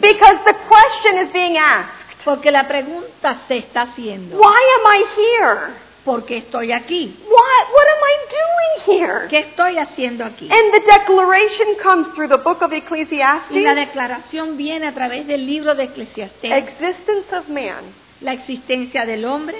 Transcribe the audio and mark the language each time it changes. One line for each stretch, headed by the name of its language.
English: Because the question is being asked.
Spanish: Porque la pregunta se está haciendo.
English: Why am I here?
Spanish: ¿Por qué estoy aquí?
English: What am I doing here?
Spanish: ¿Qué estoy haciendo aquí?
English: And the declaration comes through the book of Ecclesiastes.
Spanish: Y la declaración viene a través del libro de Eclesiastés.
English: Existence of man.
Spanish: La existencia del hombre.